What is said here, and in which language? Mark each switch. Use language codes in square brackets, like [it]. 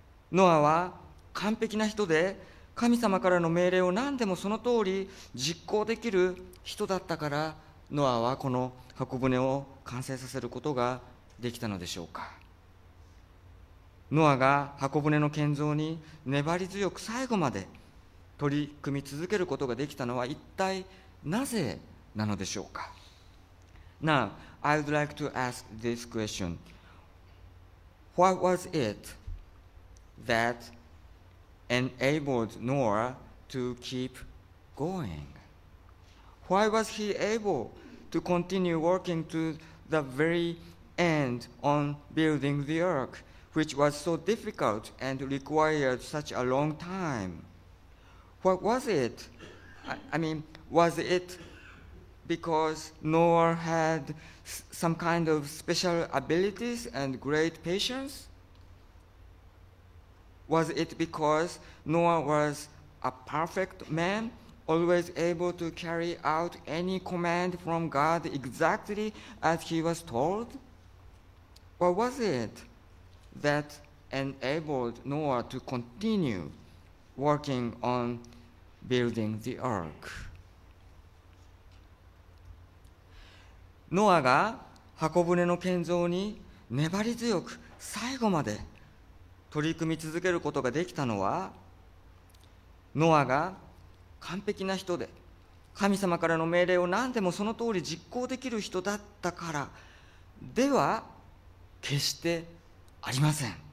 [ja] ノアは完璧な人で、神様からの命令を何でもその通り実行できる人だったから、ノアはこの箱舟を完成させることができたのでしょうか。ノアが箱舟の建造に粘り強く最後まで取り組み続けることができたのは一体なぜなのでしょうか。 [en] Now, I would like to ask this question. What was it that enabled Noah to keep going? Why was he able to continue working to the very end on building the ark? Which was so difficult and required such a long time. What was it? I mean, was it because Noah had some kind of special abilities and great patience? Was it because Noah was a perfect man, always able to carry out any command from God exactly as he was told? What was it? That enabled Noah to continue working on building the ark. [ja] ノアが箱舟の建造に粘り強く最後まで取り組み続けることができたのは、ノアが完璧な人で神様からの命令を何でもその通り実行できる人だったからでは決してありません。